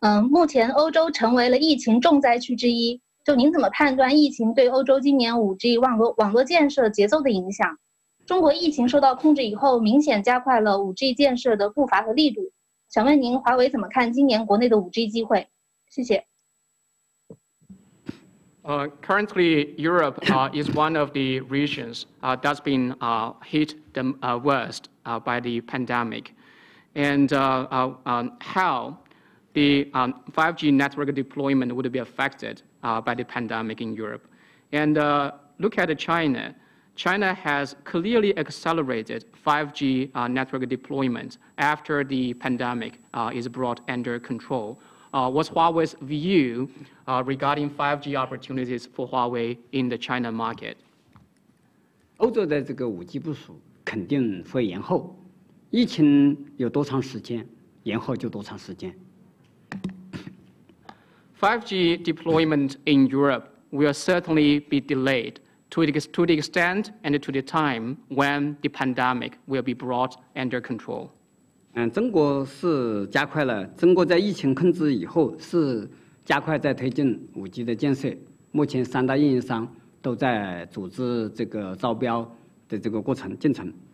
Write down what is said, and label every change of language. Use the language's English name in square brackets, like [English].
[Chinese] 目前欧洲成为了疫情重灾区之一，就您怎么判断疫情对欧洲今年 5G 网络建设节奏的影响？中国疫情受到控制以后，明显加快了 5G 建设的步伐和力度，想问您华为怎么看今年国内的 5G 机会？谢谢。 [English] Currently, Europe is one of the regions that's been hit the worst by the pandemic. And how the 5G network deployment would be affected by the pandemic in Europe. And look at China. China has clearly accelerated 5G network deployment after the pandemic is brought under control. What's Huawei's view regarding 5G opportunities for Huawei in the China market? [Chinese] 欧洲的这个 5G 部署肯定会延后，疫情有多长时间，延后就多长时间。 [English] 5G deployment in Europe will certainly be delayed to the extent and to the time when the pandemic will be brought under control. [Chinese] 中国是加快了，中国在疫情控制以后是加快在推进 5G 的建设，目前三大运营商都在组织这个招标的这个过程进程。